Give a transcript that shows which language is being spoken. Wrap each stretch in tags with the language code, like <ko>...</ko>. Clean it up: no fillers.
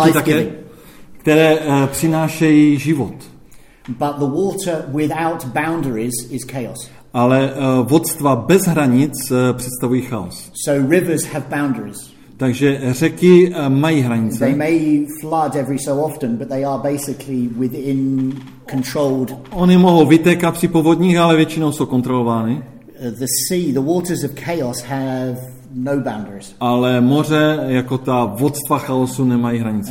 <en>life-giving,</en> <cs>které přinášejí život.</cs> <en>But the water without boundaries is chaos.</en> <cs>Ale vodstva bez hranic představují chaos.</cs> <en>So rivers have boundaries.</en> <cs>Takže řeky mají hranice.</cs> <en>They may flood every so often, but they are basically within controlled.</en> <cs>Ony mohou vytékat při povodních, ale většinou jsou kontrolovány.</cs> <en>The sea, the waters of chaos have no boundaries.</en> <cs>Ale moře jako ta vodstva chaosu nemají hranice.</cs>